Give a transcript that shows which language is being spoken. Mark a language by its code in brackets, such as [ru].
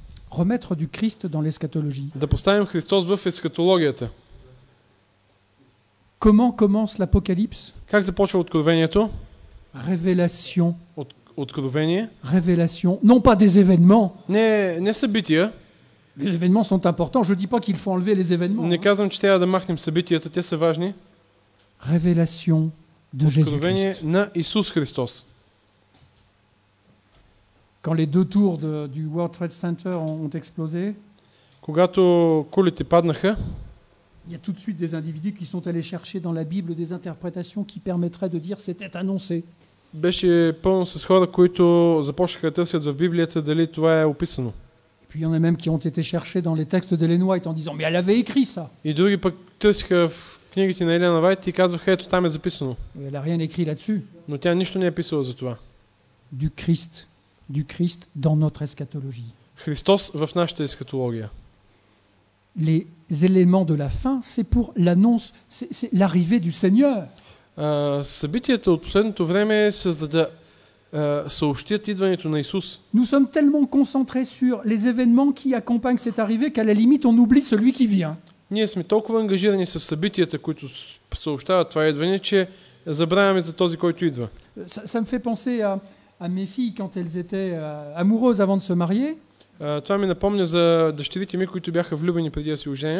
[fr] Remettre du Christ dans l'eschatologie. [bg] Да поставим Христос в ескатологията. [fr] Comment commence l'Apocalypse? [bg] Как започва Откровението? [fr] Révélation. [bg] Откровение. [fr] Révélation, non pas des événements. [bg] Не събития. [fr] Les événements sont importants, je dis pas qu'il faut enlever les événements. [bg] Не казвам, че трябва да махнем събитията, те са важни. [fr] Révélation de Jésus-Christ. [bg] Откровение на Исус Христос. [fr] Quand les deux tours du World Trade Center ont explosé? [bg] Когато кулите паднаха. [fr] Il y a tout de suite des individus qui sont allés chercher dans la Bible des interprétations qui permettraient de dire c'était annoncé. [bg] Беше пълно с хора, които започнаха да търсят в Библията дали това е описано. [fr] Et puis il y en a même qui ont été cherchés dans les textes de Ellen White en disant mais elle avait écrit ça. [bg] И други пък търсиха в книгите на Елена Вайт и казваха ето там е записано. [fr] Mais elle a rien écrit là-dessus. [bg] Но тя нищо не е писала за това. [fr] Du Christ dans notre eschatologie. [bg] Христос в нашата ескатология. [fr] Les éléments de la fin, c'est pour l'annonce, c'est l'arrivée du Seigneur. [bg] Събитията от последното време са за да съобщят идването на Исус. [fr] Nous sommes tellement concentrés sur les événements qui accompagnent cette arrivée qu'à la limite on oublie celui qui vient. [bg] Ние сме толкова ангажирани с събитията, които съобщават това идване, че забравяме за този, който идва. [fr] Ça me fait penser à mes filles quand elles étaient amoureuses avant de se marier. [bg] Това ми напомня за дъщерите ми, които бяха влюбени преди да се оженят.